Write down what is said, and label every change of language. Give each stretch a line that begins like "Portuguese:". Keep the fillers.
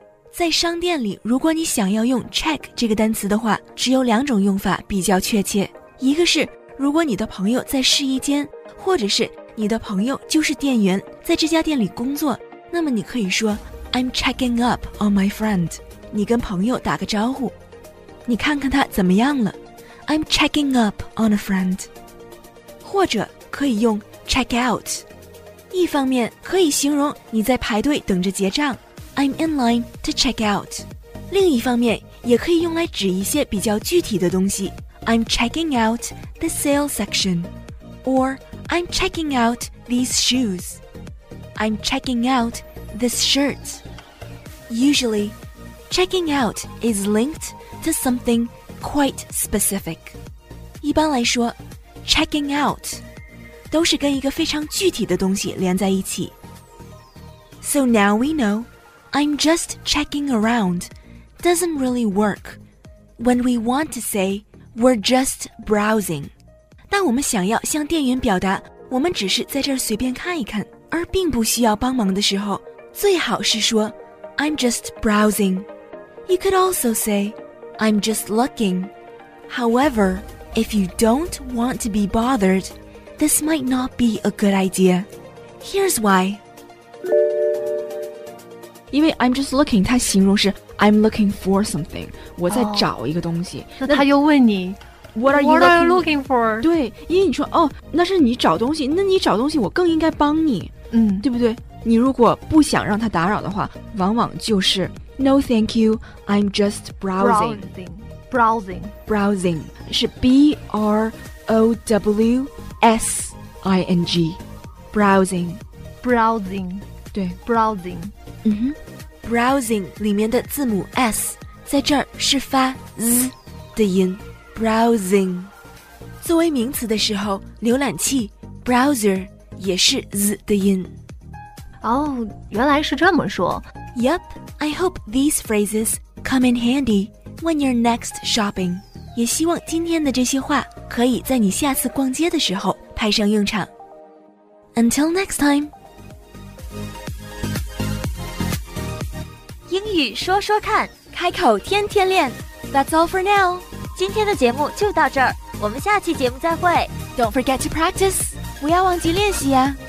Chinese: 在商店里，如果你想要用 check 这个单词的话，只有两种用法比较确切，一个是如果你的朋友在试衣间，或者是你的朋友就是店员，在这家店里工作，那么你可以说
English: I'm checking up on my friend，
Chinese: 你跟朋友打个招呼，你看看他怎么样了，
English: I'm checking up on a friend，
Chinese: 或者可以用 check out，一方面可以形容你在排队等着结账，
English: I'm in line to check out；
Chinese: 另一方面也可以用来指一些比较具体的东西，
English: I'm checking out the sale section，or I'm checking out these shoes，I'm checking out this shirt。 Usually, checking out is linked to something quite specific。
Chinese: 一般来说，checking out。都是跟一个非常具体的东西连在一起。
English: So now we know I'm just checking around doesn't really work when we want to say we're just browsing。
Chinese: 当我们想要向店员表达我们只是在这儿随便看一看，而并不需要帮忙的时候，最好是说
English: I'm just browsing。 You could also say I'm just looking. However, if you don't want to be bothered, this might not be a good idea. Here's why.
Chinese: 因为
English: I'm just looking，
Chinese: 它形容是
English: I'm looking for something，
Chinese: 我在哦找一个东西。那他又问你
English: What are you What are you looking? looking for？
Chinese: 对，因为你说哦，那是你找东西，那你找东西，我更应该帮你，嗯，对不对？你如果不想让他打扰的话，往往就是
English: No, thank you. I'm just browsing. browsing，browsing， Browsing 是 b r o w s i n g. Browsing. browsing，
Chinese: 对，
English: browsing，
Chinese: 嗯哼，browsing 里面的字母 s 在这儿是发 z 的音，browsing。作为名词的时候，浏览器 browser 也是 z 的音。哦，原来是这么说。
English: Yep, I hope these phrases come in handy when you're next shopping.
Chinese: 也希望今天的这些话可以在你下次逛街的时候派上用场。
English: Until next time.
Chinese: 英语说说看。开口天天练。
English: That's all for now.
Chinese: 今天的节目就到这儿，我们下期节目再会，
English: Don't forget to practice.
Chinese: 不要忘记练习呀、